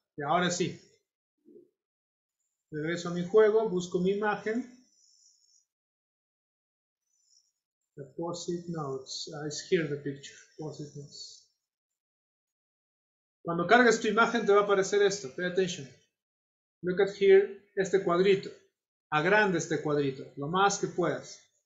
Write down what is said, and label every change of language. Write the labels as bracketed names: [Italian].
[Spanish] Y ahora sí, regreso a mi juego, busco mi imagen. [English] The post-it notes, it's here the picture, post-it notes. [Spanish] Cuando cargues tu imagen te va a aparecer esto, [English] pay attention. Look at here, [Spanish] este cuadrito, agrande este cuadrito, lo más que puedas.